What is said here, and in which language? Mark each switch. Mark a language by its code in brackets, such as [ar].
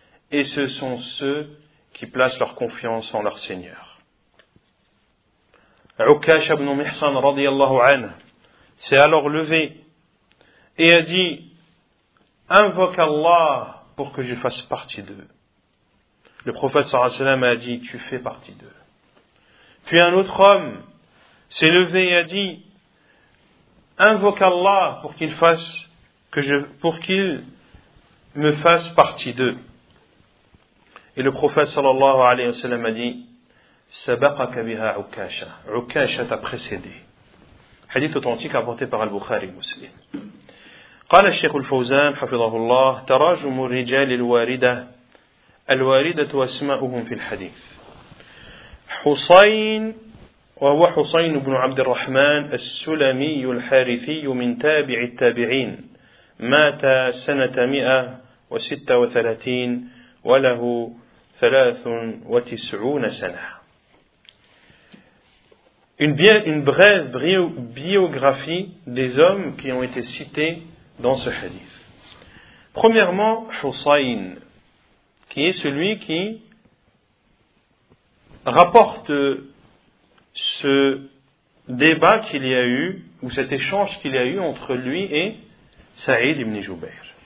[fr] Et ce sont ceux qui placent leur confiance en leur Seigneur. » Ukash ibn Mihsan radiyallahu anhu s'est alors levé et a dit « Invoque Allah pour que je fasse partie d'eux. » Le prophète sallallahu alayhi wa sallam a dit « Tu fais partie d'eux. » Puis un autre homme s'est levé et a dit « Invoque Allah pour qu'il fasse pour qu'il me fasse partie d'eux. » Et le prophète sallallahu alayhi wa sallam a dit « [ar] Sabaqaka biha Ukasha. [fr] » Ukasha t'a précédé. Hadith authentique apporté par Al-Bukhari Muslim. [ar] قال الشيخ الفوزان حفظه الله تراجم الرجال الواردة أسماؤهم في الحديث حصين وهو حصين بن عبد الرحمن السلمي الحارثي من تابع التابعين مات سنة 136 وله 93 سنة. [fr] Une brève biographie des hommes qui ont été cités dans ce hadith. Premièrement, Husayn, qui est celui qui rapporte ce débat qu'il y a eu, ou cet échange qu'il y a eu entre lui et Saïd ibn Jubair.